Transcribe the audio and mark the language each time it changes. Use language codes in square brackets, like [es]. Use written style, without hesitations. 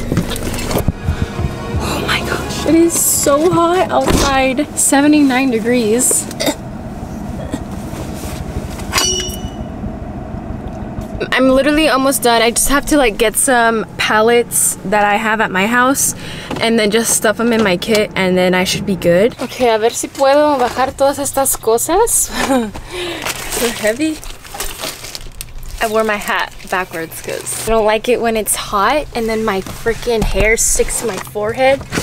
[en] It is so hot outside, 79 degrees. I'm literally almost done. I just have to like get some palettes that I have at my house and then just stuff them in my kit and then I should be good. [es] Okay, a ver si puedo bajar todas estas cosas. [en] So heavy. I wore my hat backwards because I don't like it when it's hot and then my freaking hair sticks to my forehead.